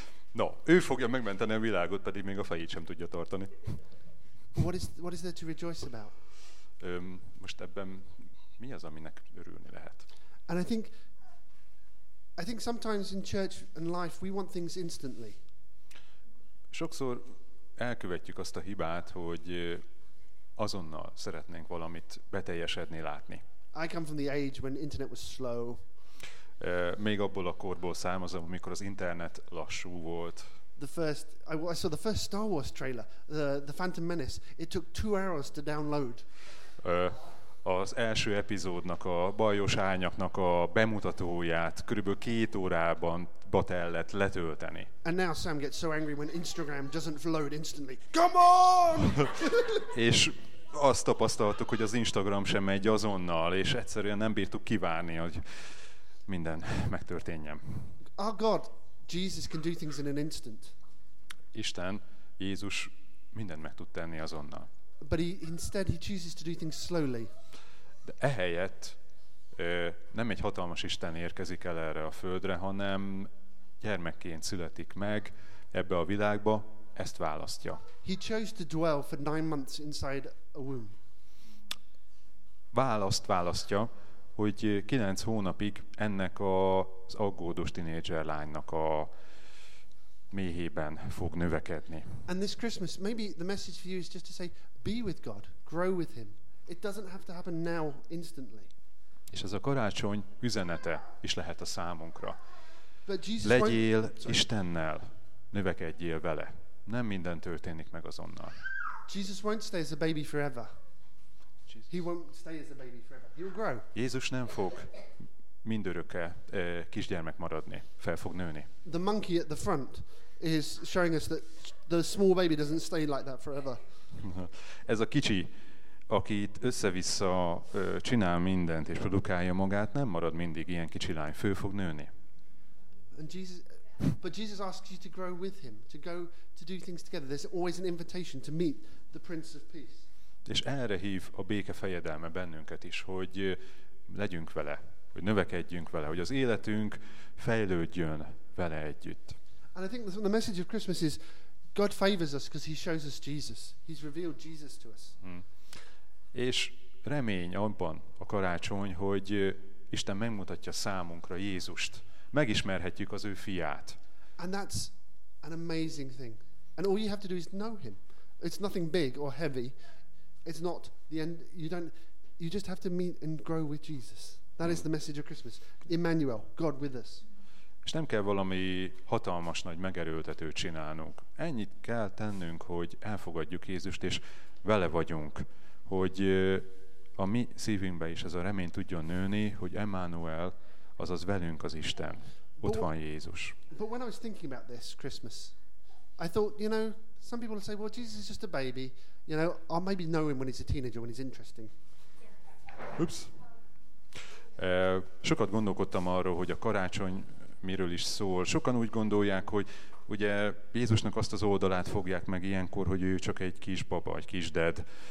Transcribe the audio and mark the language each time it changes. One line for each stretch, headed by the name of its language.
Hungarian: No, ő fogja megmenteni a világot, pedig még a fejét sem tudja tartani.
English: What is there to rejoice about?
Hungarian: Most ebben mi az, aminek örülni lehet?
English: And I think sometimes in church and life we want things instantly.
Hungarian: Sokszor elkövetjük azt a hibát, hogy azonnal szeretnénk valamit beteljesedni, látni.
English: I come from the age when internet was slow.
Hungarian: Még abból a korból származom, amikor az internet lassú volt.
English: I saw the first Star Wars trailer, the Phantom Menace. It took 2 hours to download.
Hungarian: Az első epizódnak, a Bajos Árnyaknak a bemutatóját körülbelül 2 órában batellett letölteni.
English: And now Sam gets so angry when Instagram doesn't load instantly. Come on!
Hungarian: És azt tapasztaltuk, hogy az Instagram sem megy azonnal, és egyszerűen nem bírtuk kivárni, hogy minden megtörténjen.
English: Our God, Jesus can do things in an instant.
Hungarian: Isten, Jézus mindent meg tud tenni azonnal.
English: But he chooses to do things slowly.
Hungarian: De ehelyett nem egy hatalmas Isten érkezik el erre a földre, hanem gyermekként születik meg ebbe a világba, ezt választja.
English: He chose to dwell for 9 months inside a womb.
Hungarian: Választja, hogy 9 hónapig ennek az aggódó tinédzser lánynak a méhében fog növekedni.
English: And this Christmas, maybe the message for you is just to say, be with God, grow with Him. It doesn't have to happen now, instantly.
Hungarian: És ez a karácsony üzenete is lehet a számunkra. Legyél Istennel, növekedjél vele. Nem minden történik meg azonnal.
English: Jesus won't stay as a baby forever. He won't stay as a baby forever. He'll grow.
Hungarian: Jézus nem fog mindörökre kisgyermek maradni, fel fog nőni.
English: The monkey at the front is showing us that the small baby doesn't stay like that forever.
Hungarian: Ez a kicsi, aki itt össze-vissza csinál mindent és produkálja magát, nem marad mindig ilyen kicsi lány, fel fog nőni.
English: And Jesus, but Jesus asks you to grow with him, to go to do things together. There's always an invitation to meet the Prince of Peace.
Hungarian: És erre hív a béke fejedelme bennünket is, hogy legyünk vele, hogy növekedjünk vele, hogy az életünk fejlődjön vele együtt.
English: And I think the message of Christmas is God favors us because he shows us Jesus. He's revealed Jesus to us.
Hungarian: És remény abban a karácsony, hogy Isten megmutatja számunkra Jézust. Megismerhetjük az ő fiát.
English: And that's an amazing thing. And all you have to do is know him. It's nothing big or heavy. It's not the end. You just have to meet and grow with Jesus. That is the message of Christmas. Emmanuel, God with us.
Hungarian: És nem kell valami hatalmas nagy megerőltetőt csinálnunk. Ennyit kell tennünk, hogy elfogadjuk Jézust, és vele vagyunk, hogy a mi szívünkbe is ez a remény tudjon nőni, hogy Emmanuel, azaz velünk az Isten. Ott van Jézus.
English: But when I was thinking about this Christmas, I thought, you know, some people will say, well, Jesus is just a baby. You know, I'll maybe know him when he's a teenager, when he's interesting. Oops.
Hungarian: Sokat gondolkodtam arról, hogy a karácsony miről is szól. Sokan úgy gondolják, hogy ugye Jézusnak azt az oldalát fogják meg ilyenkor, hogy ő csak egy kis baba, egy kis ded.